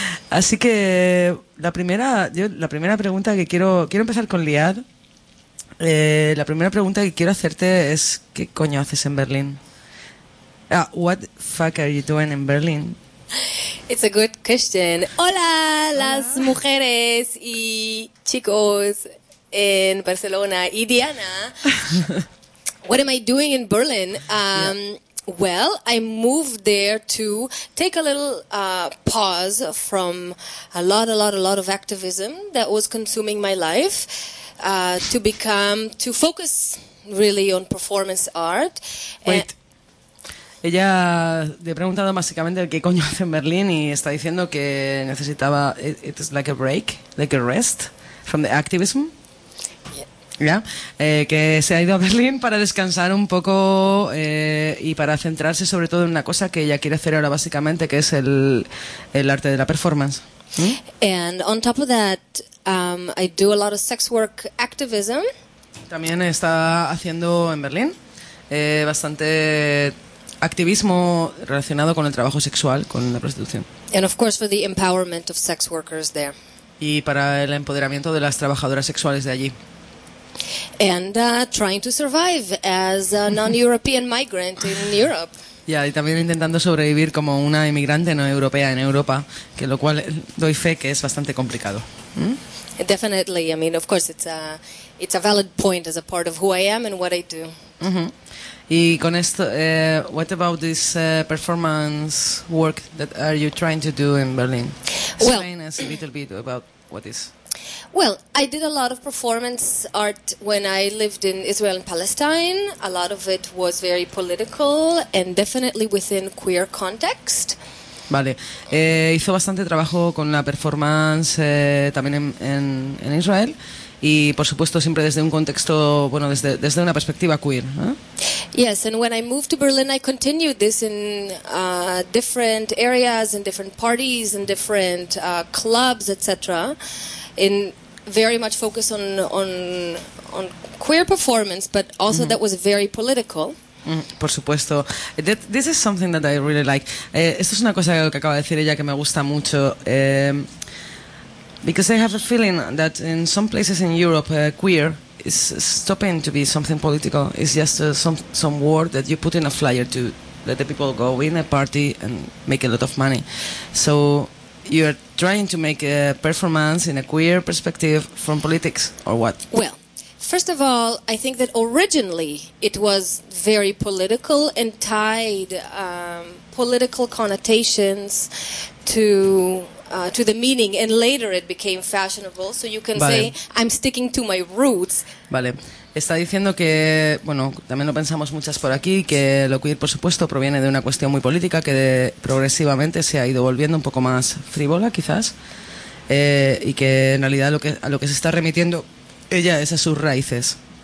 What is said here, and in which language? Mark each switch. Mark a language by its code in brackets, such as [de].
[es] Así que la primera pregunta que quiero empezar con Liad. La primera pregunta que quiero hacerte es, ¿qué coño haces en Berlín? [en] What the fuck are you doing in Berlin? It's a good question. [es] Hola, las mujeres y chicos en Barcelona y Diana. [en] What am I doing in Berlin? Well, I moved there to take a little pause from a lot of activism that was consuming my life, to focus really on performance art. [es] Wait. Ella le ha preguntado básicamente qué coño hace en Berlín y está diciendo que necesitaba, [en] it's like a break, like a rest from the activism. [es] Que se ha ido a Berlín para descansar un poco y para centrarse sobre todo en una cosa que ella quiere hacer ahora básicamente, que es el arte de la performance. [en] And on top of that, I do a lot of sex work activism. [es] También está haciendo en Berlín bastante activismo relacionado con el trabajo sexual, con la prostitución. [en] And of course for the empowerment of sex workers there. [es] Y para el empoderamiento de las trabajadoras sexuales de allí. [en] And trying to survive as a non-European migrant in Europe. [es] Y también intentando sobrevivir como una inmigrante no europea en Europa, que lo cual doy fe que es bastante complicado. [en] Definitely, I mean, of course, it's a valid point as a part of who I am and what I do. Mm-hmm. [es] Y con esto, [en] what about this performance work that are you trying to do in Berlin? Explain us a little bit about what is. Well, I did a lot of performance art when I lived in Israel and Palestine. A lot of it was very political and definitely within queer context. [es] Vale. Hizo bastante trabajo con la performance también en Israel y, por supuesto, siempre desde un contexto, bueno, desde una perspectiva queer, ¿eh? [en] Yes, and when I moved to Berlin, I continued this in different areas, in different parties, in different clubs, etc., in very much focused on queer performance, but also mm-hmm. that was very political. [es] Por supuesto. [en] This is something that I really like. [es] Esto es una cosa que acaba de decir ella que me gusta mucho. [en] Because I have a feeling that in some places in Europe, queer is stopping to be something political. It's just some word that you put in a flyer to let the people go in a party and make a lot of money. So you're trying to make a performance in a queer perspective from politics, or what? Well, first of all, I think that originally it was very political and tied political connotations to the meaning, and later it became fashionable. So you can say I'm sticking to my roots. [es] Vale. Está diciendo que, bueno, también lo pensamos muchas por aquí, que lo queer, por supuesto, proviene de una cuestión muy política que progresivamente se ha ido volviendo un poco más frívola, quizás, y que en realidad a lo que se está remitiendo ella es a sus raíces.